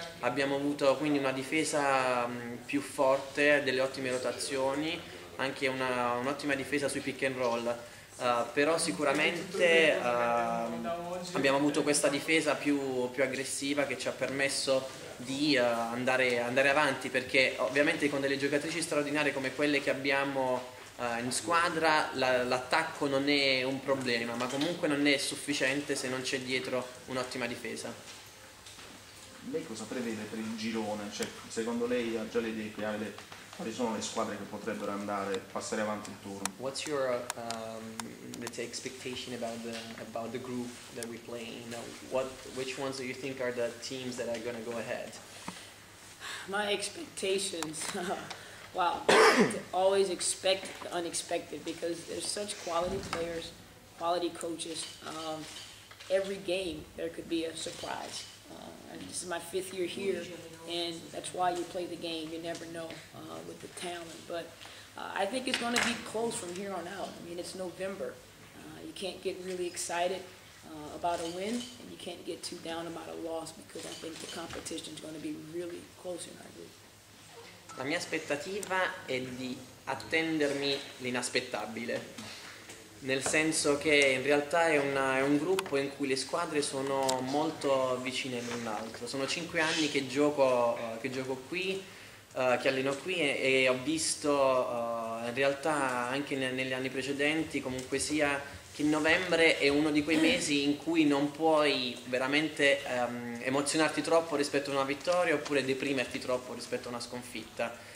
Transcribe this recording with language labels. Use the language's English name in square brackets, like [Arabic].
[Italian] Abbiamo avuto quindi una difesa più forte, delle ottime rotazioni, anche un'ottima difesa sui pick and roll, però sicuramente abbiamo avuto questa difesa più aggressiva che ci ha permesso di andare avanti, perché ovviamente con delle giocatrici straordinarie come quelle che abbiamo in squadra l'attacco non è un problema, ma comunque non è sufficiente se non c'è dietro un'ottima difesa. lei cosa prevede per il girone? Cioè, secondo lei ha già le idee chiare, quali sono le squadre che potrebbero andare passare avanti il turno? [English] What's your expectation about the group that we play in? Which ones do you think are the teams that are going to go ahead? My expectations. Wow, always expect the unexpected because there's such quality players, quality coaches. Every game there could be a surprise. This is my fifth year here, and that's why you play the game. You never know with the talent. But I think it's going to be close from here on out. I mean, it's November. You can't get really excited about a win, and you can't get too down about a loss because I think the competition is going to be really close in our group. [Italian] La mia aspettativa è di attendermi l'inaspettabile, nel senso che in realtà è un gruppo in cui le squadre sono molto vicine l'un l'altro. Sono 5 anni che gioco qui, che alleno qui e ho visto in realtà anche negli anni precedenti comunque sia che novembre è uno di quei mesi in cui non puoi veramente emozionarti troppo rispetto a una vittoria oppure deprimerti troppo rispetto a una sconfitta.